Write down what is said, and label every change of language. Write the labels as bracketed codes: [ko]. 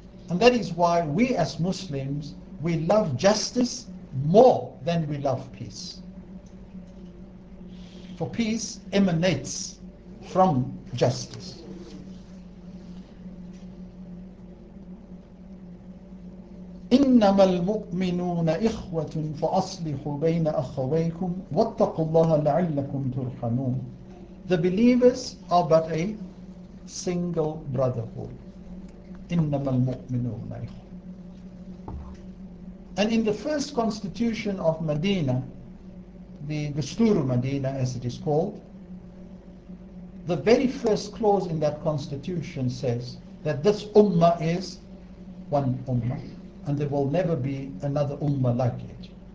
[en] And that is why we as Muslims, we love justice more than we love peace. For peace emanates from justice. [ar] إنما المؤمنون إخوة فأصلحوا بين أخويكم واتقوا الله لعلكم ترحمون. [en] The believers are but a single brotherhood. [ar] إنما المؤمنون إخوة. [en] And in the first constitution of Medina, the Dastur Medina as it is called, the very first clause in that constitution says that this ummah is one ummah and there will never be another ummah like it.